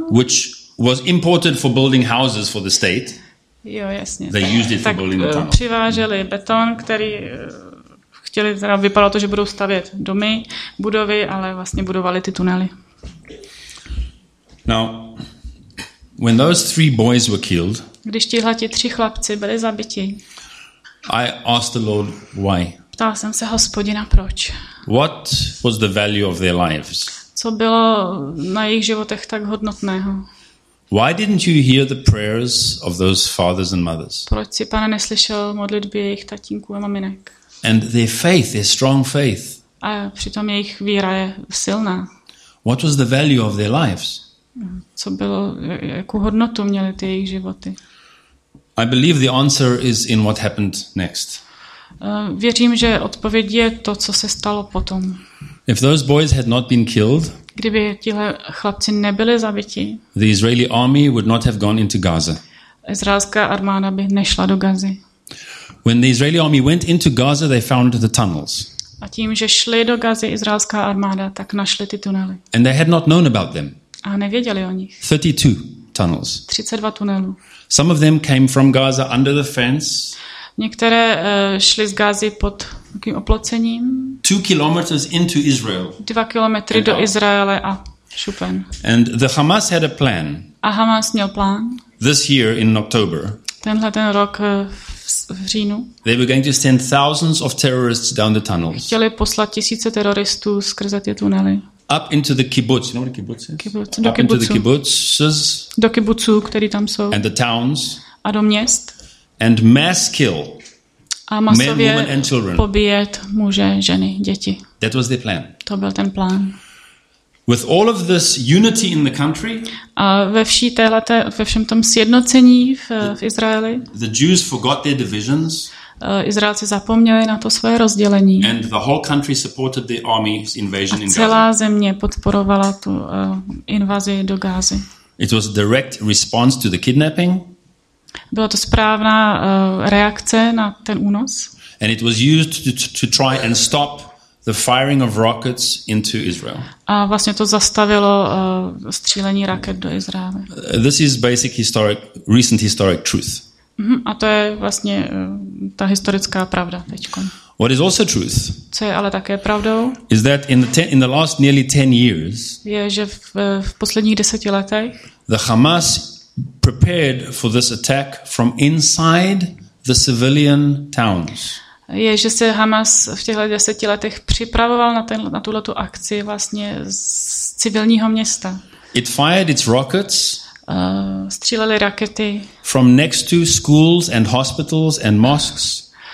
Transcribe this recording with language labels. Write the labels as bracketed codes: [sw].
[en] Which was imported for building houses for the state. [cs] Jo, jasně. [en] They used it for building the tunnel. [cs] Tak přiváželi beton, který chtěli, teda vypadalo to, že budou stavět domy, budovy, ale vlastně budovali ty tunely. [en] Now, when those three boys were killed, [cs] když tihleti tři chlapci byli zabiti, [en] I asked the Lord why. [cs] Ptal jsem se Hospodina proč. [en] What was the value of their lives? [cs] Co bylo na jejich životech tak hodnotného? [en] Why didn't you hear the prayers of those fathers and mothers? [cs] Proč si, Pane, neslyšel modlitby jejich tatínků a maminek? [en] And their faith, their strong faith. [cs] A přitom jejich víra je silná. [en] What was the value of their lives? [cs] Co bylo, jakou hodnotu měly ty jejich životy? [en] I believe the answer is in what happened next. [cs] Věřím, že odpověď je to, co se stalo potom. [en] If those boys had not been killed, [cs] kdyby tihle chlapci nebyli zabiti, [en] the Israeli army would not have gone into Gaza. [cs] Izraelská armáda by nešla do Gazy. [en] When the Israeli army went into Gaza, they found the tunnels. [cs] A tím, že šli do Gazy izraelská armáda, tak našli ty tunely. [en] And they had not known about them. [cs] A nevěděli o nich. [en] 32 tunnels. [cs] 32 tunelů. [en] Some of them came from Gaza under the fence. [cs] Některé šli z Gazy pod takým oplocením. [en] 2 kilometers into Israel. [cs] 2 kilometry do Izraele a šupen. [en] And the Hamas had a plan. [cs] A Hamas měl plán. [en] This year in October. [cs] Tenhle ten rok v říjnu. [en] They were going to send thousands of terrorists down the tunnels. [cs] Chtěli poslat tisíce teroristů skrze ty tunely. [en] Up into the kibbutz, you know what a kibbutz is? [cs] Do kibbutzů, který tam jsou. [en] And the towns. [cs] A do měst. [en] And mass kill. [cs] A masově [en] men, women and children. [cs] Pobíjet muže, ženy, děti. [en] That was their plan. [cs] To byl ten plán. [en] With all of this unity in the country, [cs] a ve všem tom sjednocení v Izraeli, [en] the Jews forgot their divisions, [cs] Izraelci zapomněli na to svoje rozdělení, [en] and the whole country supported the army's invasion in Gaza. [cs] Celá země podporovala tu invazi do Gázy. [en] It was a direct response to the kidnapping. [cs] Byla to správná reakce na ten únos. [en] And it was used to try and stop the firing of rockets into Israel. [cs] A vlastně to zastavilo střílení raket do Izraele. [en] This is basic historic, recent historic truth. Mm-hmm. [cs] A to je vlastně ta historická pravda teďkon. [en] What is also truth? [cs] Co je ale také pravdou? [en] Is that in the last nearly 10 years? [cs] Je, že v posledních 10 letech. [en] The Hamas prepared for this attack from inside the civilian towns. [cs] Je, že se Hamas v těchto 10 letech připravoval na tuto akci vlastně z civilního města. [en] It fired its rockets. [cs] Střílely rakety. [en] From next to schools and hospitals and mosques.